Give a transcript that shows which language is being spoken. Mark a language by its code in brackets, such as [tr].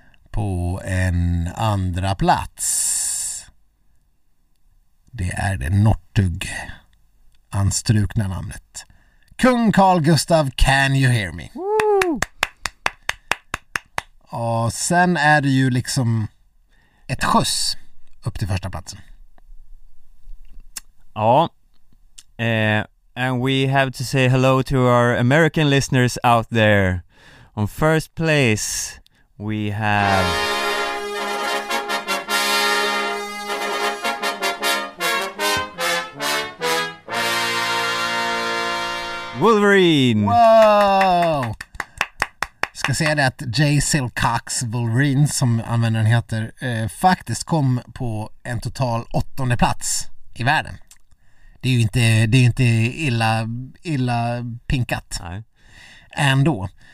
[sv] På en andra plats, det är det nortug anstrukna namnet, kung Carl Gustav, [en] can you hear me? [sv] Och sen är det ju liksom ett skjuts upp till första platsen. Ja. [en] And we have to say hello to our American listeners out there. On first place we have Wolverine. Wow. [sv] Ska säga det att Jay Silcox Wolverine, som användaren heter, faktiskt kom på en total åttonde plats i världen. Det är ju inte, det är inte illa pinkat. Nej. Ändå.